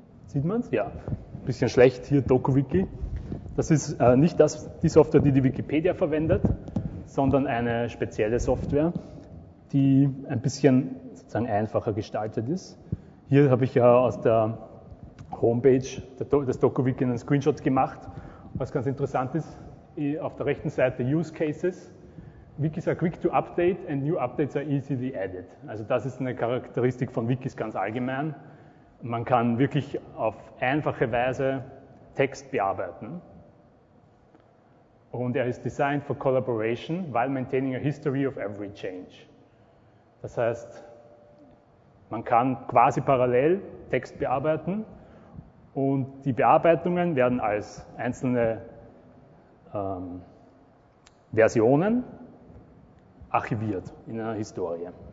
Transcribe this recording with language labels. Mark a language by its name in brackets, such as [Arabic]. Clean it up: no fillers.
[German] Sieht man es? Ja, ein bisschen schlecht hier, Doku-Wiki. Das ist nicht die Software, die Wikipedia verwendet, sondern eine spezielle Software, die ein bisschen sozusagen einfacher gestaltet ist. Hier habe ich ja aus der Homepage des Doku-Wiki einen Screenshot gemacht. Was ganz interessant ist, auf der rechten Seite Use Cases. [English] Wikis are quick to update and new updates are easily added. [German] Also das ist eine Charakteristik von Wikis ganz allgemein. Man kann wirklich auf einfache Weise Text bearbeiten. Und er ist [English] designed for collaboration while maintaining a history of every change. [German] Das heißt, man kann quasi parallel Text bearbeiten und die Bearbeitungen werden als einzelne Versionen archiviert in einer Historie.